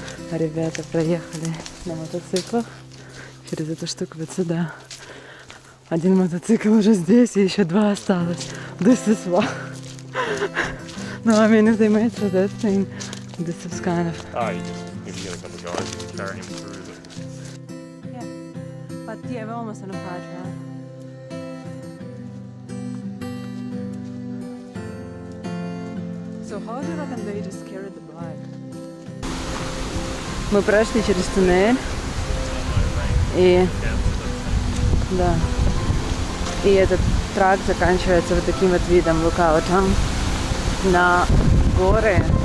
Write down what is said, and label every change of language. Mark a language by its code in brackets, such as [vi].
[ru] Ребята проехали на мотоциклах через эту штуку вот сюда. Один мотоцикл уже здесь, и еще два осталось. [en] This is what. No, I mean if they made for that thing, this is kind of. Oh, you just maybe get a couple guys and carry him through. Yeah, we're almost on a fire trail. So how do you reckon they just carried the bike? [ru] Мы прошли через туннель, и да, и этот трак заканчивается вот таким вот видом, лукаутом на горы.